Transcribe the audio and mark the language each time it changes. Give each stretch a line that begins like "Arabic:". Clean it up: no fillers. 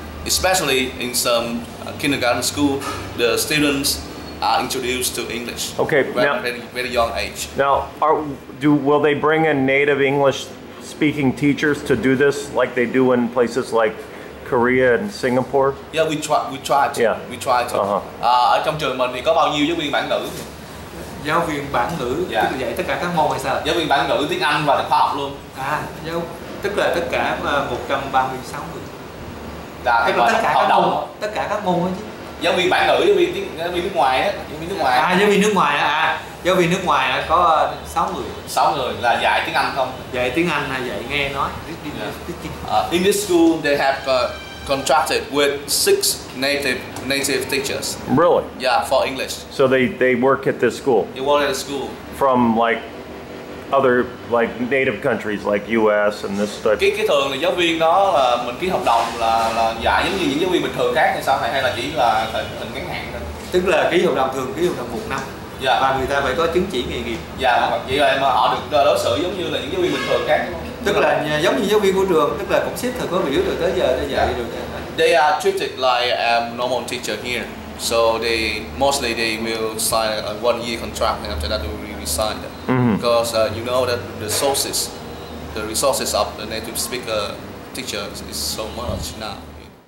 English: Especially in some kindergarten school, the students are introduced to English at a very young age. Now, will they bring in native English speaking teachers to do this like they do in places like Korea and Singapore? Yeah, we try to. Uh-huh.
Vietnamese: Ở trong trường mình thì có bao nhiêu giáo viên bản ngữ? Giáo viên bản ngữ, yeah. Tức là dạy tất cả các môn hay sao? Giáo viên bản ngữ, tiếng Anh và khoa học luôn. À, tức là tất cả 136 người. Là tức là tất cả các môn hết chứ. Giáo viên bản ngữ, giáo viên nước ngoài á. À, giáo viên nước ngoài á, à. Giáo viên nước ngoài có 6 người. 6 người là dạy tiếng Anh không? Dạy tiếng Anh hay dạy nghe nói.
English: Yeah. In this school, they have contracted with 6 native teachers. Really? Yeah, for English. So they work at this school? They work at the school. From like other like native countries like US and this stuff.
Vietnamese: Cái thường là giáo viên đó là mình ký hợp đồng là dạy giống như những giáo viên bình thường khác hay sao hay là chỉ là thời ngắn hạn thôi. Tức là ký hợp đồng thường ký hợp đồng 1 năm.
English: Yeah.
Vietnamese: Và người ta phải có chứng chỉ nghề nghiệp. Dạ, yeah, vậy là họ được đối xử giống như là những giáo viên bình thường khác. Tức là giống như giáo viên của trường, tức là cũng xếp thời khóa biểu rồi tới giờ để dạy được.
English: They are treated like a normal teacher here. So they mostly will sign a 1-year contract and after that they will resign. Mm-hmm. Because you know that the resources of the native speaker teacher is so much now.